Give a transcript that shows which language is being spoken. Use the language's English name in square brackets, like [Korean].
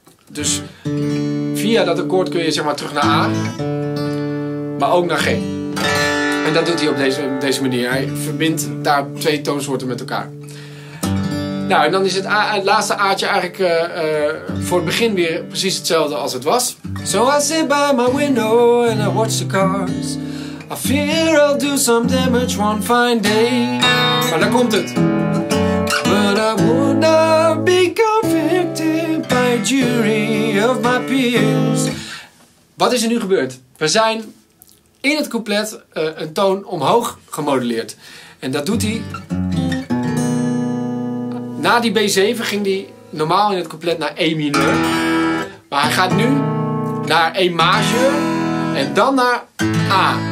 [Dutch] Dus via dat akkoord kun je zeg maar terug naar A, maar ook naar G. En dat doet hij op deze manier. Hij verbindt daar twee toonsoorten met elkaar. Nou, en dan is het laatste A'tje eigenlijk voor het begin weer precies hetzelfde als het was. [English] So I sit by my window and I watch the cars. I fear I'll do some damage one fine day. [Dutch] Maar dan komt het. [English] But I would not be convicted by a jury of my peers. [Dutch] Wat is er nu gebeurd? We zijn in het couplet een toon omhoog gemodelleerd. En dat doet hij. Na die B7 ging hij normaal in het couplet naar E mineur. Maar hij gaat nu naar E majeur en dan naar A.